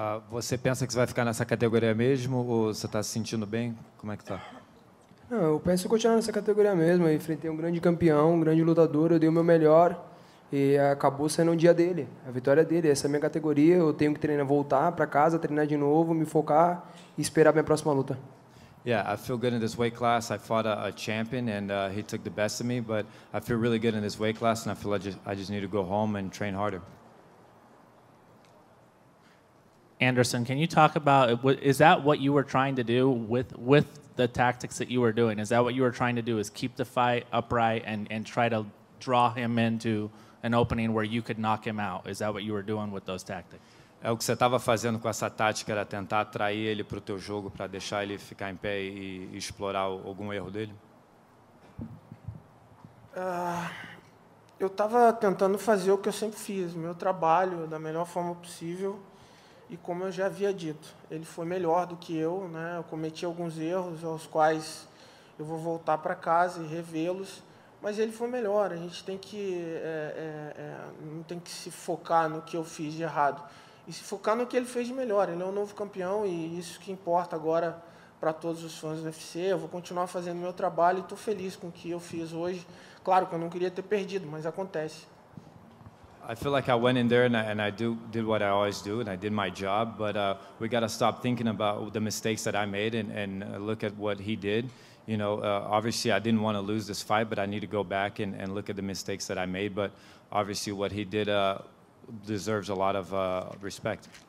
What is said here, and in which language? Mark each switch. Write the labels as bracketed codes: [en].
[pt] Você pensa que você vai ficar nessa categoria mesmo ou você está se sentindo bem? Como é que está? Não, eu penso em continuar nessa categoria mesmo. Eu enfrentei um grande campeão, um grande lutador, eu dei o meu melhor e acabou sendo um dia dele, a vitória dele. Essa é a minha categoria, eu tenho que treinar, voltar para casa, treinar de novo, me focar e esperar a minha próxima luta. [en] Yeah, I feel good in this weight class. I fought a champion, and he took the best of me. But I feel really good in this weight class, and I feel like I just need to go home and train harder. Anderson, can you talk about, is that what you were trying to do with the tactics that you were doing? Is that what you were trying to do, is keep the fight upright and try to draw him into an opening where you could knock him out? Is that what you were doing with those tactics? [pt] É o que você estava fazendo com essa tática, era tentar atrair ele para o teu jogo, para deixar ele ficar em pé e explorar algum erro dele? Eu estava tentando fazer o que eu sempre fiz, meu trabalho da melhor forma possível. E como eu já havia dito, ele foi melhor do que eu, né? Eu cometi alguns erros aos quais eu vou voltar para casa e revê-los. Mas ele foi melhor, a gente tem que não tem que se focar no que eu fiz de errado. E se focar no que ele fez de melhor. Ele é um novo campeão e isso que importa agora para todos os fãs do UFC. Eu vou continuar fazendo meu trabalho e estou feliz com o que eu fiz hoje. Claro que eu não queria ter perdido, mas acontece. [en] I feel like I went in there and I did what I always do, and I did my job, but we got to stop thinking about the mistakes that I made and look at what he did. You know, obviously I didn't want to lose this fight, but I need to go back and look at the mistakes that I made, but obviously what he did deserves a lot of respect.